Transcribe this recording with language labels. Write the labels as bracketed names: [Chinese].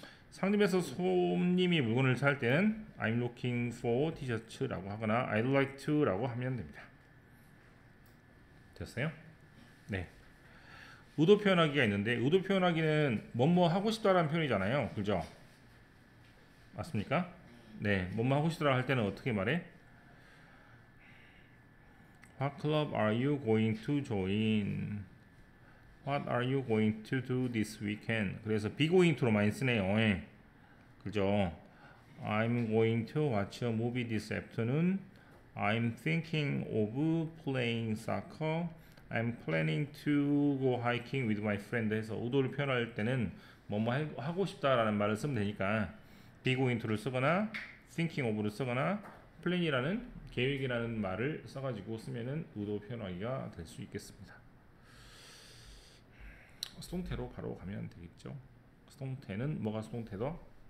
[Korean] 상점에서 손님이 물건을 살 때는 [English] I'm looking for t-shirt [Korean] 라고 하거나 [English] I'd like to [Korean] 라고 하면 됩니다. 됐어요? 네. 의도 표현하기가 있는데 의도 표현하기는 뭐뭐 하고 싶다라는 표현이잖아요. 그죠? 맞습니까? 네. 뭐뭐 하고 싶다라고 할 때는 어떻게 말해? [English] What club are you going to join? What are you going to do this weekend? [Korean] 그래서 be going to로 많이 쓰네요. 네. 그죠? [English] I'm going to watch a movie this afternoon. I'm thinking of playing soccer. I'm planning to go hiking with my friend. [Korean] 해서 의도를 표현할 때는 뭐뭐 하고 싶다라는 말을 쓰면 되니까 be going to를 쓰거나 thinking of를 쓰거나 plan이라는 계획이라는 말을 써가지고 쓰면은 의도 표현하기가 될수 있겠습니다. 수동태로 바로 가면 되겠죠. 수동태는 뭐가 수동태죠?